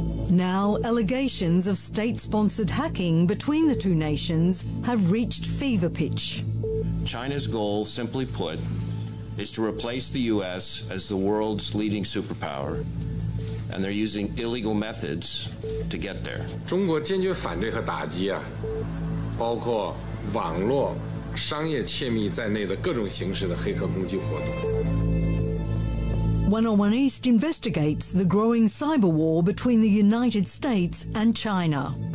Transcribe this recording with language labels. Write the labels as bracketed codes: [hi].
[en] Now, allegations of state-sponsored hacking between the two nations have reached fever pitch. China's goal, simply put, is to replace the U.S. as the world's leading superpower, and they're using illegal methods to get there. [zh] 中国坚决反对和打击啊, 包括网络, 商业窃密在内的各种形式的黑客攻击活动。 [en] 101 East investigates the growing cyber war between the United States and China.